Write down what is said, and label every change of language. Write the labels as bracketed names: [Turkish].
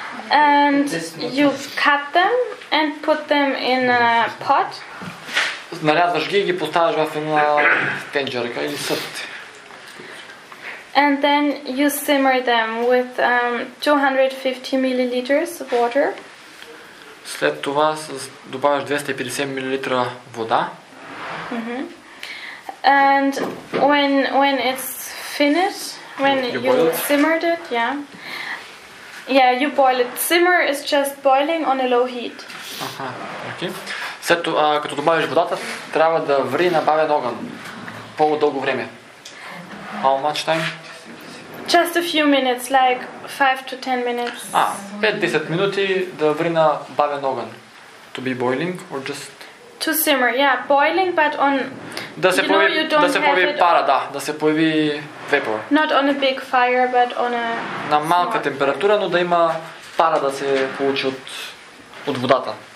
[English] And you cut them and put them in a pot. [Bulgarian] Нарязваш ги и ги поставяш в една тенджерка или съд. [English] And then you simmer them with 250 milliliters of water. [Bulgarian] След това добавяш 250 мл вода. Mm-hmm. [English] And when it's finished, when you simmered it, yeah. Yeah, you boil it. Simmer is just boiling on a low heat. Okay. [Bulgarian] След това, като добавиш водата, трябва да ври на бавен огън по-дълго време. [English] How much time? Just a few minutes, like 5 to 10 minutes. [Bulgarian] 5-10 минути да ври на бавен огън. [English] To be boiling or just... To simmer, yeah, boiling, but on... [Bulgarian] Да се появи, да се появи пара, да, да се появи vapor. [English] Not on a big fire, but on a... [Bulgarian] На малка температура, но да има пара да се получи от, от водата.